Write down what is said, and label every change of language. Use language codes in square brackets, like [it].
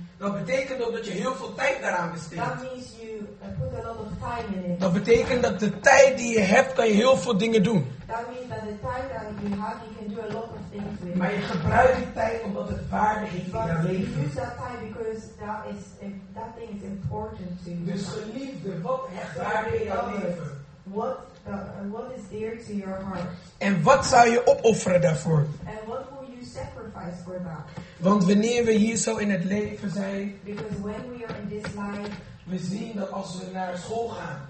[nl] dat betekent ook dat je heel veel tijd daaraan besteedt. [en] That means you put a lot of time in it. [nl] Dat betekent dat de tijd die je hebt, kan je heel veel dingen doen. [en] That means that the time that you have, you can do a lot of things with. [nl] Maar je gebruikt die tijd omdat het waarde heeft in je leven. [en] But you use that time because that thing is important to you. [nl] Dus geliefde, wat hecht waarde in jouw leven? [en] What is dear to your heart? [nl] En wat zou je opofferen daarvoor? [en] And what would you sacrifice for that? [nl] Want wanneer we hier zo in het leven zijn, [en] because when we are in this life, [nl] we zien dat als we naar school gaan,